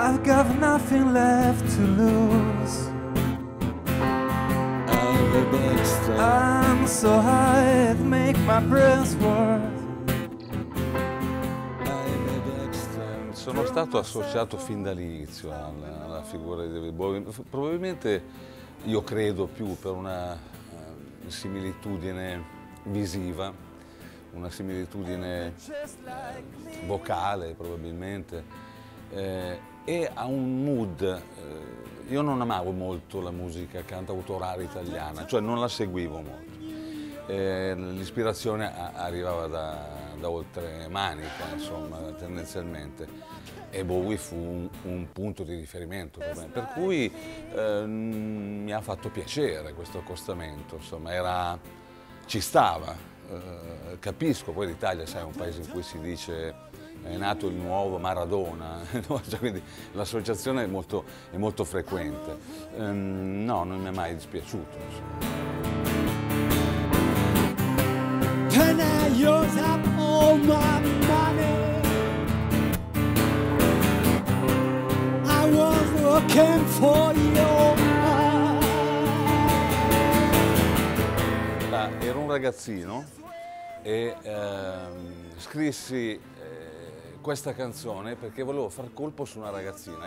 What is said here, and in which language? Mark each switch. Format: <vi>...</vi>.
<en>got nothing left to lose. I'm so high, it make my brains work.</en> <it>Sono stato associato fin dall'inizio alla figura di David Bowie, probabilmente, io credo, più per una similitudine visiva, una similitudine vocale probabilmente, e a un mood. Io non amavo molto la musica cantautorale italiana, cioè non la seguivo molto. L'ispirazione arrivava da oltre manica, insomma, tendenzialmente, e Bowie fu un punto di riferimento per me, per cui mi ha fatto piacere questo accostamento, insomma, ci stava, capisco, poi l'Italia, sai, è un paese in cui si dice è nato il nuovo Maradona, quindi l'associazione è molto frequente, no, non mi è mai dispiaciuto, insomma.</it> <en>Can I use up all my money? I was looking for your heart.</en> <it>Ero un ragazzino e scrissi questa canzone perché volevo far colpo su una ragazzina.</it>